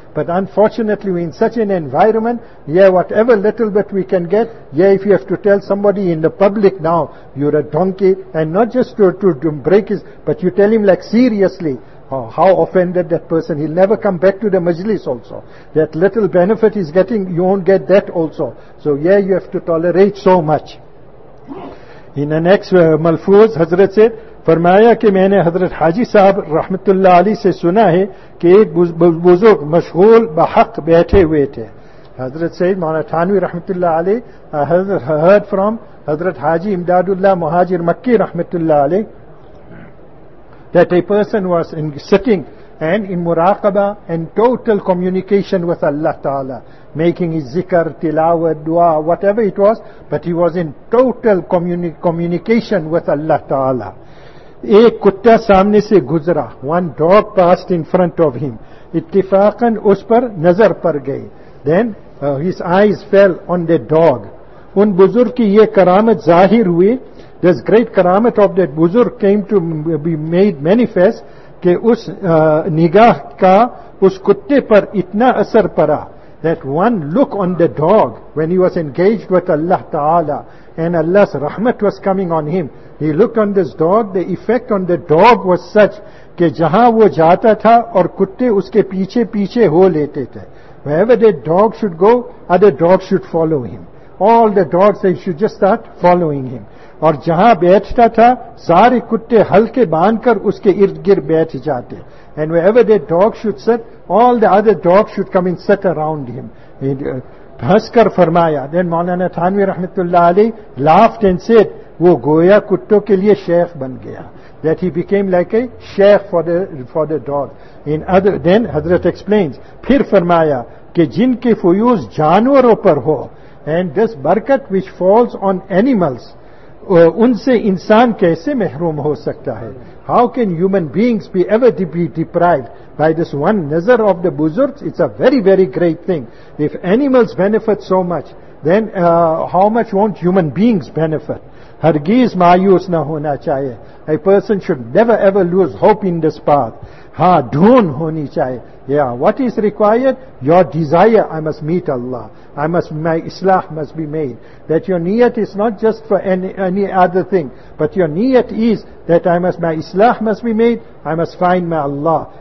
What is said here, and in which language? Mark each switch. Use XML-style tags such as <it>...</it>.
<en>But unfortunately, we're in such an environment, whatever little bit we can get, if you have to tell somebody in the public now, you're a donkey, and not just to break his, but you tell him like seriously, how offended that person, he'll never come back to the majlis also. That little benefit he's getting, you won't get that also. So you have to tolerate so much. In the next malfooz, Hazrat said,</en> <ur>فرمایا کہ میں نے حضرت حاجی صاحب رحمت اللہ علی سے سنا ہے کہ ایک بزرگ مشغول بحق بیٹھے ہوئے تھے.</ur> <en>حضرت سید مولانا تھانوی رحمت اللہ علی heard from Hazrat Haji Imdadullah Muhajir Makki رحمت اللہ علی that a person was in sitting and in مراقبہ and total communication with اللہ تعالی, making his ذکر, تلاوت, دعا, whatever it was, but he was in total communication with اللہ تعالی.</en> <ur>ایک کتا سامنے سے گزرا,</ur> <en>one dog passed in front of him,</en> <ur>اتفاقاً اس پر نظر پر گئی,</ur> <en>then his eyes fell on the dog.</en> <ur>ان بزرگ کی یہ کرامت ظاہر ہوئی,</ur> <en>this great کرامت of that بزرگ came to be made manifest,</en> <ur>کہ اس نگاہ کا اس کتے پر اتنا اثر پڑا.</ur> <en>That one look on the dog when he was engaged with Allah Ta'ala and Allah's rahmat was coming on him. He looked on this dog, the effect on the dog was such</en> <ur>کہ جہاں وہ جاتا تھا اور کتے اس کے پیچھے پیچھے ہو لیتے تھے.</ur> <en>Wherever the dog should go, other dogs should follow him. All the dogs, they should just start following him.</en> <ur>اور جہاں بیٹھتا تھا سارے کتے ہلکے باندھ کر اس کے ارد گرد بیٹھ جاتے.</ur> <en>And wherever the dog should sit, all the other dogs should come and sit around him.</en> <ur>ہنس کر فرمایا.</ur> <en>Then</en> <ur>مولانا تھانوی رحمت اللہ علیہ</ur> <en>laughed and said,</en> <ur>وہ گویا کتوں کے لیے شیخ بن گیا.</ur> <en>That he became like a sheikh for the dog. In other, then Hazrat explains,</en> <ur>پھر فرمایا کہ جن کے فیوز جانوروں پر ہو.</ur> <en>And this barakat which falls on animals,</en> <ur>ان سے انسان کیسے محروم ہو سکتا ہے.</ur> <en>How can human beings be ever to be deprived by this one nazar of the buzurgs? It's a very, very great thing. If animals benefit so much, then how much won't human beings benefit?</en> <ur>ہرگیز مایوس نہ ہونا چاہیے.</ur> <en>A person should never ever lose hope in this path.</en> <ur>ہاں دھون ہونی چاہیے.</ur> <en>Yeah, what is required? Your desire, I must meet Allah. My islah must be made. That your niyat is not just for any other thing, but your niyat is that my islah must be made, I must find my Allah.</en>